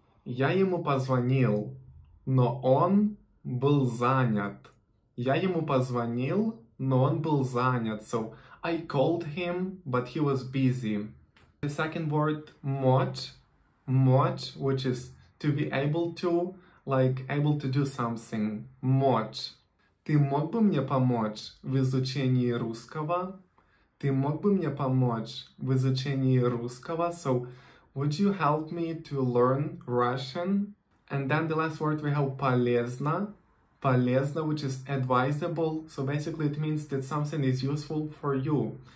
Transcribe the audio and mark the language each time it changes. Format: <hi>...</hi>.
<ru>Я ему позвонил, но он был занят. Я ему позвонил, но он был занят.</ru> <en>So, I called him, but he was busy. The second word, мочь, which is to be able to, like, able to do something.</en> <ru>Мочь. Ты мог бы мне помочь в изучении русского? Ты мог бы мне помочь в изучении русского?</ru> <en>So, would you help me to learn Russian? And then the last word we have полезно. Полезно, which is advisable. So basically it means that something is useful for you.</en>